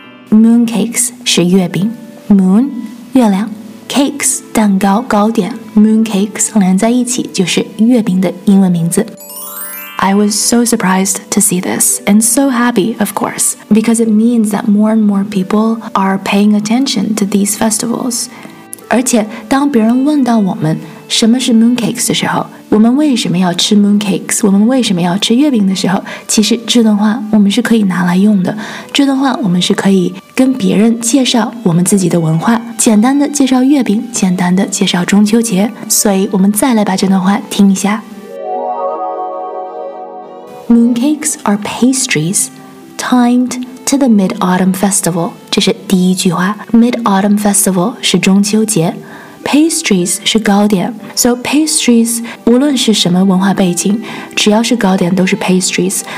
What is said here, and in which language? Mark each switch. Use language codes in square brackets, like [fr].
[zh] Mooncakes 是月饼， moon 月亮，Cakes 蛋糕糕点， mooncakes 连在一起就是月饼的英文名字。 [en] I was so surprised to see this and so happy, of course, because it means that more and more people are paying attention to these festivals. [zh] 而且当别人问到我们什么是 mooncakes 的时候，我们为什么要吃 mooncakes， 我们为什么要吃月饼的时候，其实这段话我们是可以拿来用的，这段话我们是可以跟别人介绍我们自己的文化，简单的介绍月饼，简单的介绍中秋节。所以我们再来把这段话听一下。 [en] Mooncakes are pastries timed to the Mid-Autumn Festival. [zh] 这是第一句话， Mid-Autumn Festival 是中秋节，Pastries 是糕点， So pastries 无论是什么文化背景，只要是糕点都是 pastries。